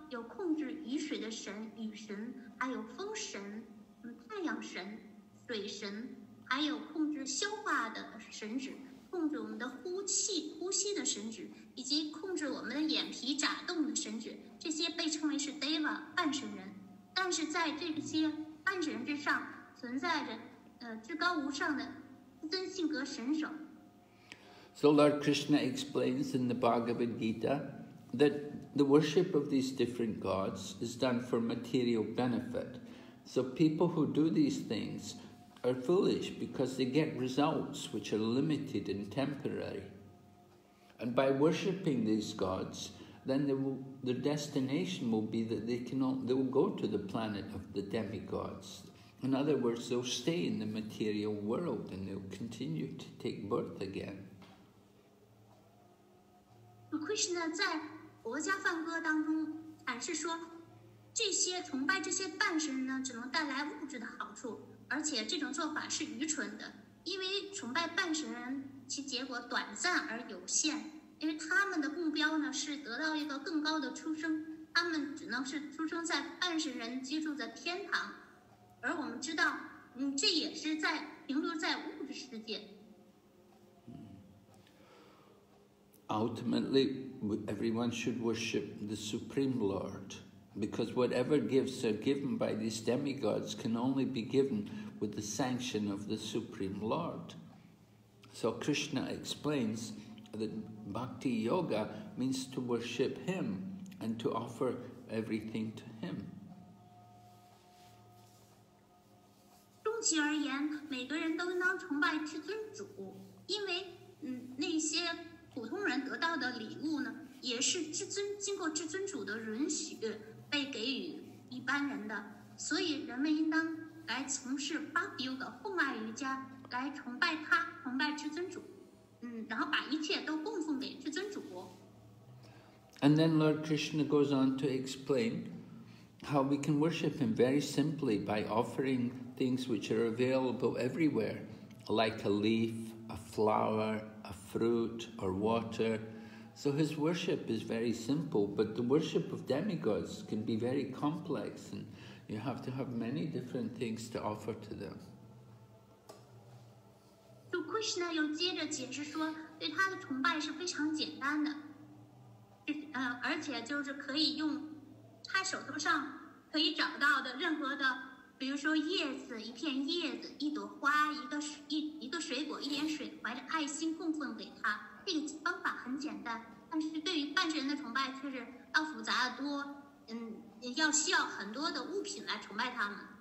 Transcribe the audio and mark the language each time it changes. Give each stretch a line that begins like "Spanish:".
Chinese: 有控制雨水的神、雨神，还有风神、太阳神、水神，还有控制消化的神祇，控制我们的呼气、呼吸的神祇，以及控制我们的眼皮眨动的神祇，这些被称为是 Deva 半神人。但是在这些半神人之上，存在着至高无上的自尊性格神手。
English: So Lord Krishna explains in the Bhagavad Gita that the worship of these different gods is done for material benefit. So people who do these things are foolish because they get results which are limited and temporary. And by worshipping these gods, then their destination will be that they will go to the planet of the demigods. In other words, they'll stay in the material world and they'll continue to take birth again.
Chinese: Krishna 在国家梵歌当中阐释说，这些崇拜这些半神呢，只能带来物质的好处，而且这种做法是愚蠢的，因为崇拜半神人，其结果短暂而有限，因为他们的目标呢是得到一个更高的出生，他们只能是出生在半神人居住的天堂，而我们知道，这也是在停留在物质世界。
English: Ultimately, everyone should worship the Supreme Lord, because whatever gifts are given by these demigods can only be given with the sanction of the Supreme Lord. So Krishna explains that bhakti yoga means to worship him and to offer everything to him.
Chinese: 终其而言，每个人都应当崇拜至尊主，因为那些普通人得到的礼物呢，也是至尊经过至尊主的允许被给予一般人的，所以人们应当来从事 Bhakti Yoga 奉爱瑜伽，来崇拜他，崇拜至尊主，然后把一切都供奉给至尊主。
English: And then Lord Krishna goes on to explain how we can worship him very simply by offering things which are available everywhere, like a leaf, a flower. A fruit or water. So his worship is very simple, but the worship of demigods can be very complex, and you have to have many different things to offer to them.
Chinese: So Krishna 又接着解释说，对他的崇拜是非常简单的，而且就是可以用他手头上可以找到的任何的，比如说叶子，一片叶子，一朵花，一个水果，一点水，怀着爱心供奉给他，这个方法很简单，但是对于半神的崇拜却是要复杂的多，要需要很多的物品来崇拜他们。